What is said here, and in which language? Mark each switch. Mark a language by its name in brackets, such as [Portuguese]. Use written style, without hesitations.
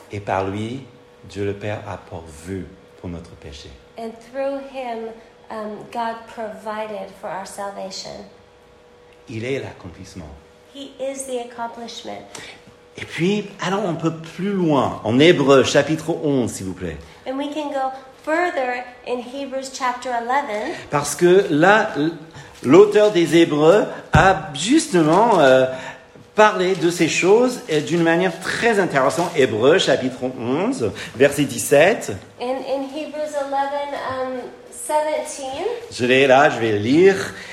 [French] Et par lui, Dieu le Père a pourvu pour notre péché. [English] And through him, God provided for our salvation. [French] Il est l'accomplissement. [English] He is the accomplishment. [French] Et puis, allons un peu plus loin, en Hébreux, chapitre 11, s'il vous plaît. [English] And we can go further in Hebrews chapter 11. [French] Parce que là, l'auteur des Hébreux a justement parlé de ces choses d'une manière très intéressante. Hébreux, chapitre 11, verset 17. [English] In Hebrews 11, 17. [French] Je l'ai là, je vais le lire.